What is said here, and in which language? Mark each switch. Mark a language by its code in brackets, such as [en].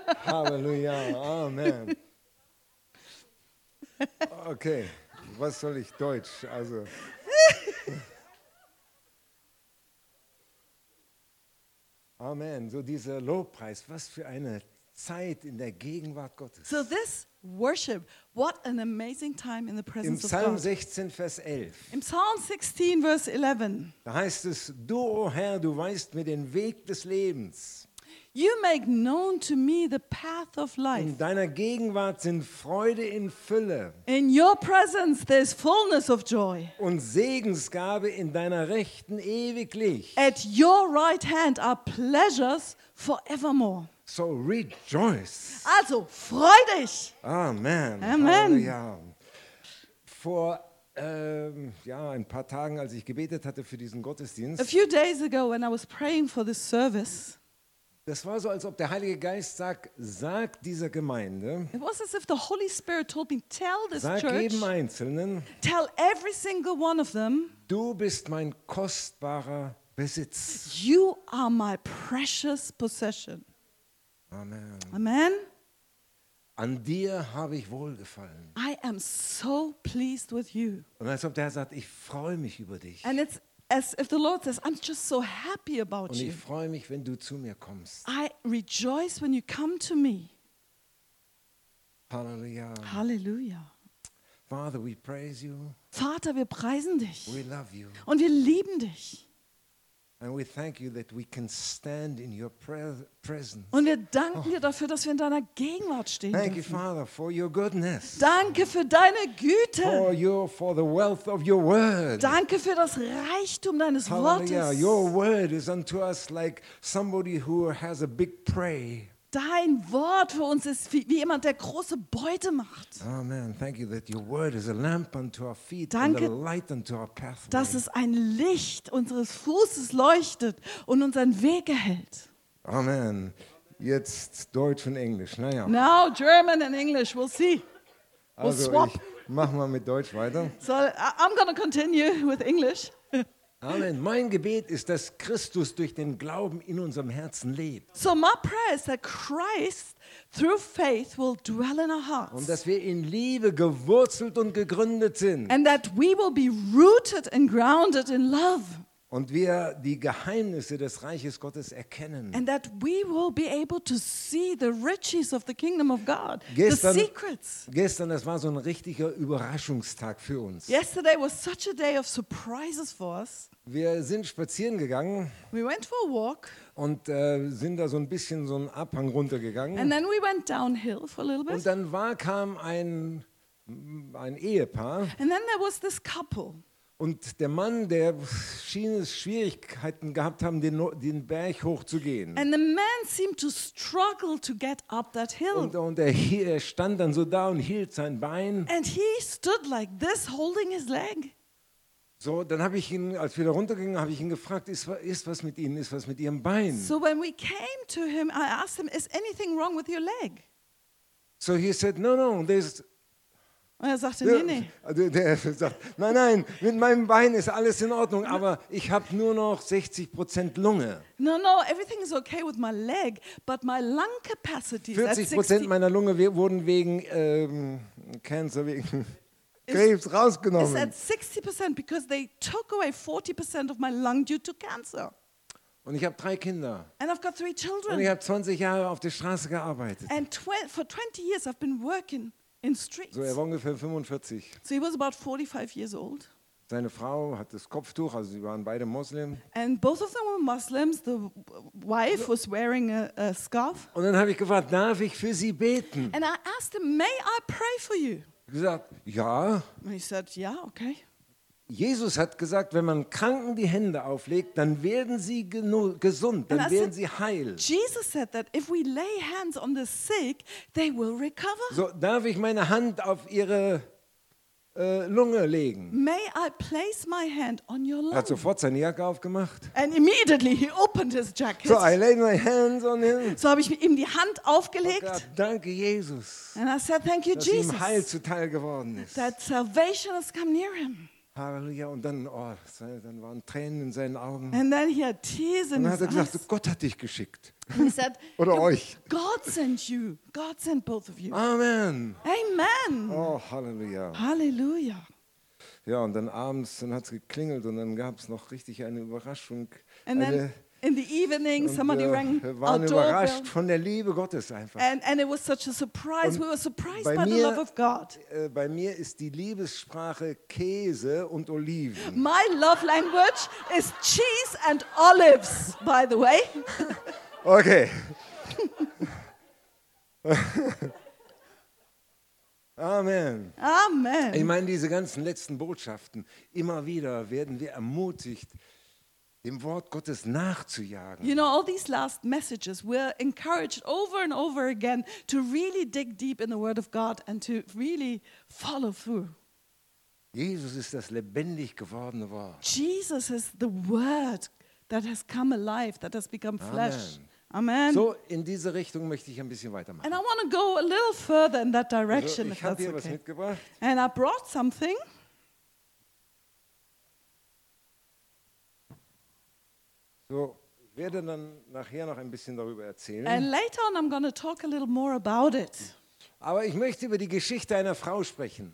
[de] Halleluja, Amen. Okay, was soll ich Deutsch, also... Amen. So dieser Lobpreis, was für eine Zeit in der Gegenwart Gottes. [en] So this worship, what an amazing time in the presence of God. [de] Im Psalm 16, Vers 11. Im Psalm 16, Vers 11. Da heißt es, du, O Herr, du weißt mir den Weg des Lebens. [en] You make known to me the path of life. [de] In deiner Gegenwart sind Freude in Fülle. [en] In your presence there is fullness of joy. [de] Und Segensgabe in deiner Rechten ewiglich. [en] At your right hand are pleasures forevermore. So rejoice. [de] Also freu dich. Amen. Amen. Vor ein paar Tagen, als ich gebetet hatte für diesen Gottesdienst. [en] A few days ago when I was praying for this service. [de] Das war so, als ob der Heilige Geist sag dieser Gemeinde. [en] It was as if the Holy Spirit told me, tell this [de] sag [en] church. [de] Sag jedem Einzelnen. [en] Tell every single one of them. [de] Du bist mein kostbarer Besitz. [en] You are my precious possession. [de] Amen. Amen. An dir habe ich wohlgefallen. [en] I am so pleased with you. [de] Und als ob der Herr sagt, ich freue mich über dich. [en] And it's as if the Lord says, I'm just so happy about [de] und [en] you. [de] Und ich freue mich, wenn du zu mir kommst. [en] I rejoice when you come to me. Hallelujah. Hallelujah. Father, we praise you. [de] Vater, wir preisen dich. [en] We love you. [de] Und wir lieben dich. [en] And we thank you that we can stand in your presence. [de] Und wir danken dir dafür, dass wir in deiner Gegenwart stehen [en] thank [de] dürfen. [en] You, Father, for your goodness. [de] Danke für deine Güte. [en] For the wealth of your word. [de] Danke für das Reichtum deines Wortes. [en] Hallelujah. Your word is unto us like somebody who has a big prey. [de] Dein Wort für uns ist wie jemand, der große Beute macht. [en] Amen. Thank you that your word is a lamp unto our feet and a light unto our pathway. [de] Dass es ein Licht unseres Fußes leuchtet und unseren Weg erhält. Amen. Jetzt Deutsch und Englisch. Naja. [en] Now German and English. We'll see. We'll [de] also [en] swap. [de] Machen wir mit Deutsch weiter. [en] So I'm gonna continue with English. Amen. [de] Mein Gebet ist, dass Christus durch den Glauben in unserem Herzen lebt. [en] So my prayer is that Christ through faith will dwell in our hearts. [de] Und dass wir in Liebe gewurzelt und gegründet sind. [en] And that we will be rooted and grounded in love. [de] Und wir die Geheimnisse des Reiches Gottes erkennen. [en] And that we will be able to see the riches of the kingdom of God. [de] Gestern, [en] the secrets. [de] Gestern, das war so ein richtiger Überraschungstag für uns. [en] Yesterday was such a day of surprises for us. [de] Wir sind spazieren gegangen. [en] We went for a walk. [de] Und sind da so ein bisschen so einen Abhang runtergegangen. [en] And then we went downhill for a little bit. [de] Und dann kam ein Ehepaar. [en] And then there was this couple. [de] Und der Mann, der schien es Schwierigkeiten gehabt haben, den Berg hochzugehen. [en] And the man seemed to struggle to get up that hill. [de] Und er stand dann so da und hielt sein Bein. [en] And he stood like this, holding his leg. [de] So, dann habe ich ihn, als wir da runtergingen, habe ich ihn gefragt, ist was mit Ihnen, ist was mit Ihrem Bein? [en] So when we came to him, I asked him, is anything wrong with your leg? So he said, no, there's... [de] Und er sagte, nee. Nein, mit meinem Bein ist alles in Ordnung, aber ich habe nur noch 60% Lunge. [en] No, everything is okay with my leg, but my lung capacity is at [de] 60% meiner Lunge wurden wegen Cancer, wegen Krebs rausgenommen. [en] It's at 60% because they took away 40% of my lung due to cancer. [de] Und ich habe 3 Kinder. [en] And I've got 3 children. [de] Und ich habe 20 Jahre auf der Straße gearbeitet. [en] And for 20 years I've been working. [de] So, er war ungefähr 45. [en] So he was about 45 years old. [de] Seine Frau hat das Kopftuch, also sie waren beide Muslim. [en] And both of them were Muslims. The wife was wearing a scarf. [de] Und dann habe ich gefragt, darf ich für sie beten? [en] And I asked him, may I pray for you? [de] Er gesagt, ja. [en] And he said, yeah, okay. [de] Jesus hat gesagt, wenn man Kranken die Hände auflegt, dann werden sie gesund, dann werden sie heil. [en] Jesus said that if we lay hands on the sick, they will recover. [de] So, darf ich meine Hand auf ihre Lunge legen. [en] May I place my hand on your lung? [de] Er hat sofort seine Jacke aufgemacht. [en] And immediately he opened his jacket. So I laid my hands on him. [de] So habe ich ihm die Hand aufgelegt. Oh Gott, danke Jesus. [en] And I said thank you [de] dass [en] Jesus. [de] Dass ihm Heil zuteil geworden ist. [en] That salvation has come near him. [de] Halleluja. Und dann, dann waren Tränen in seinen Augen. [en] And then he had tears in his eyes. [de] Und dann hat er gesagt, Gott hat dich geschickt. [en] He said, [de] oder euch. [en] God sent you. God sent both of you. [de] Amen. Amen. Oh, Halleluja. Halleluja. Ja, und dann abends, dann hat es geklingelt und dann gab es noch richtig eine Überraschung. [en] And then in the evening, somebody rang our doorbell. [de] Wir waren überrascht von der Liebe Gottes einfach. [en] And it was such a surprise. We were surprised by the love of God. [de] Bei mir ist die Liebessprache Käse und Oliven. [en] My love language is cheese and olives, by the way. Okay. Amen. Amen. [de] Ich meine, diese ganzen letzten Botschaften, immer wieder werden wir ermutigt, dem Wort Gottes nachzujagen. [en] You know, all these last messages, we're encouraged over and over again to really dig deep in the Word of God and to really follow through. [de] Jesus ist das lebendig gewordene Wort. [en] Jesus is the Word that has come alive, that has become flesh. [de] Amen. Amen. So, in diese Richtung möchte ich ein bisschen weitermachen. [en] And I want to go a little further in that direction, [de] also, [en] if that's okay. [de] Ich habe hier was mitgebracht. [en] And I brought something. [de] So, ich werde dann nachher noch ein bisschen darüber erzählen. [en] And later on I'm going to talk a little more about it. [de] Aber ich möchte über die Geschichte einer Frau sprechen.